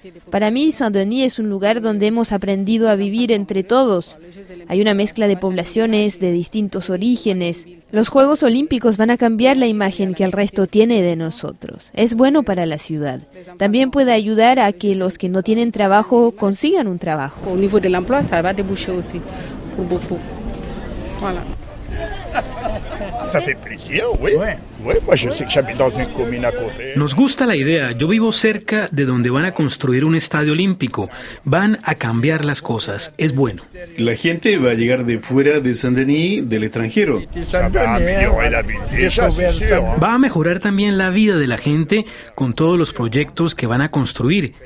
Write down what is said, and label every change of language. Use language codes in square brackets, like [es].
[es] Para mí, Saint-Denis es un lugar donde hemos aprendido a vivir entre todos. Hay una mezcla de poblaciones de distintos orígenes. Los Juegos Olímpicos van a cambiar la imagen que el resto tiene de nosotros. Es bueno para la ciudad. También puede ayudar a que los que no tienen trabajo consigan un trabajo. [fr] Au niveau de l'emploi, ça va déboucher aussi pour beaucoup. Voilà. Ça fait plaisir, oui. Oui, moi je sais que j'habite dans une commune à côté. [es] Nos gusta la idea. Yo vivo cerca de donde van a construir un estadio olímpico. Van a cambiar las cosas. Es bueno. La gente va a llegar de fuera de Saint-Denis, del extranjero. Va a mejorar también la vida de la gente con todos los proyectos que van a construir.